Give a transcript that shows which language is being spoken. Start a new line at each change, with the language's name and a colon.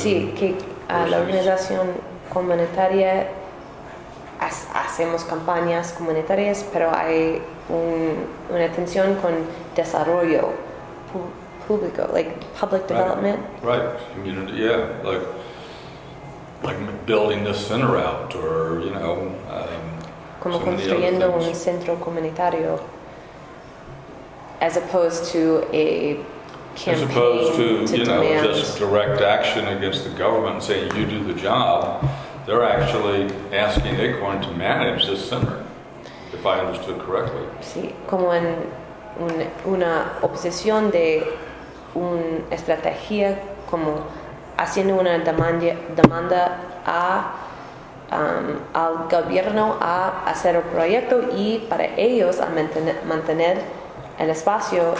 Spanish: sí, que la organización comunitaria hacemos campañas comunitarias, pero hay una tensión con desarrollo público,
English: like public development. Right, community, yeah, like building this center out, or, you know,
Spanish: como construyendo un centro comunitario,
English: as opposed to a campaign. As opposed to, you know, just direct action against the government saying, you do the job. They're actually asking Acorn to manage this center, if I understood correctly.
Spanish: Sí, como en una oposición de una estrategia, como haciendo una demanda a al gobierno a hacer un proyecto y para ellos a mantener el espacio.